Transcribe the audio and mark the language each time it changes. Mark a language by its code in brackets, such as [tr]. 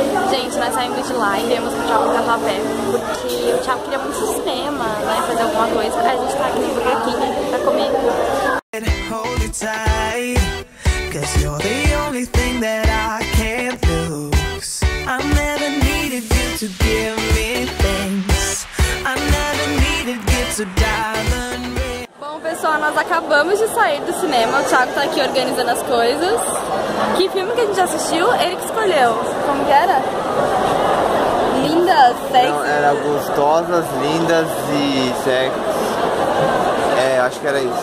[pt] Gente, nós saímos de lá e viemos pro Thiago Catapé, porque o Thiago queria muito sistema, né, fazer alguma coisa. A gente tá aqui no buraquinho pra comer. [en] Hold it tight, cause you're the only thing that I can't lose. I never needed you to give me things. I never needed you to diamond ring. [pt] Bom, pessoal, nós acabamos de sair do cinema. O Thiago tá aqui organizando as coisas. Que filme que a gente assistiu? Ele que escolheu. Como que era? Lindas, sexy. Não, era gostosas, lindas e sexy. É, acho que era isso.